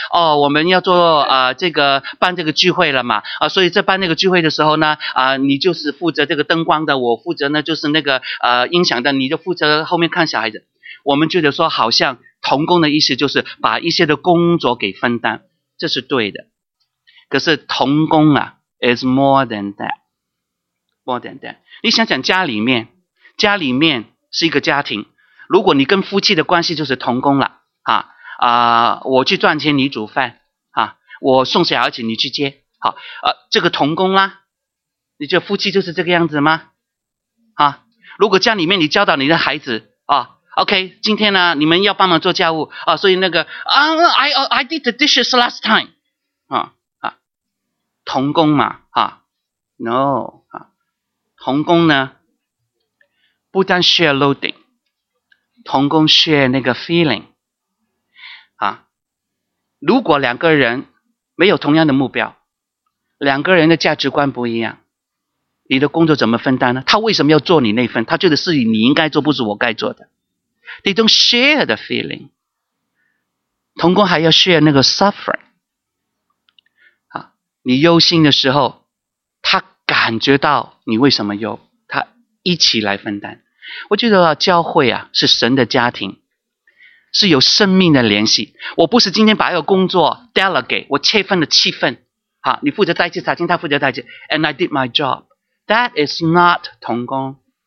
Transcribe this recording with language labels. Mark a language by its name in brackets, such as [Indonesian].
[Chinese] 哦，我们要做这个办这个聚会了嘛，所以在办那个聚会的时候呢，你就是负责这个灯光的，我负责呢就是那个音响的，你就负责后面看小孩子。我们觉得说好像同工的意思就是把一些的工作给分担，这是对的。可是同工啊 ， [English] is more than that。 [Chinese] 你想想家里面。是一个家庭，如果你跟夫妻的关系就是同工了啊，我去赚钱你煮饭啊，我送小孩子你去接，好啊，这个同工啦，你这夫妻就是这个样子吗？啊，如果家里面你教导你的孩子啊 ，OK， 今天呢你们要帮忙做家务啊，所以那个 [English] I did the dishes last time [Chinese] 啊，同工嘛啊 ，No 啊，同工呢？不但 [English] share loading， [Chinese] 同工 share 那个 feeling 啊。如果两个人没有同样的目标，两个人的价值观不一样，你的工作怎么分担呢？他为什么要做你那份？他觉得是你应该做，不是我该做的。 [English] They don't share the feeling， [Chinese] 同工还要 share 那个 suffering 啊。你忧心的时候，他感觉到你为什么忧，他一起来分担。我觉得教会啊，是神的家庭，是有生命的联系。我不是今天把一个工作 delegate， 我切分了七分，好，你负责代接查经，他负责代接 ， [English] and I did my job。 That is not 同工。